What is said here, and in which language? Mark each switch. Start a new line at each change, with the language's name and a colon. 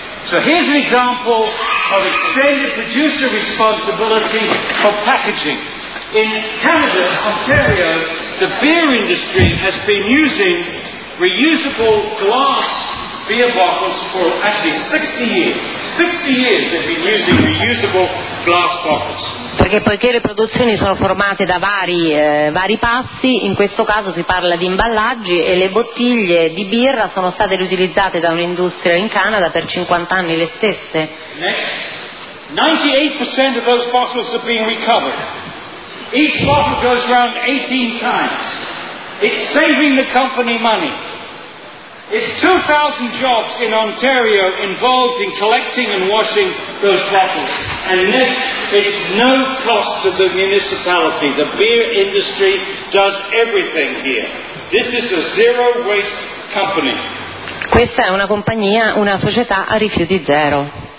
English: So here's an example of extended producer responsibility for packaging. In Canada, Ontario, the beer industry has been using reusable glass beer bottles for actually 60 years. 60 years they've been using reusable glass bottles.
Italian: Perché poiché le produzioni sono formate da vari passi, in questo caso si parla di imballaggi e le bottiglie di birra sono state riutilizzate da un'industria in Canada per 50 anni le stesse.
English: Next. 98% of those bottles are being recovered. Each bottle goes around 18 times. It's saving the company money. It's 2,000 jobs in Ontario involved in collecting and washing those bottles. And next, it's no cost to the municipality. The beer industry does everything here. This is a zero waste company.
Italian: Questa è una compagnia, una società a rifiuti zero.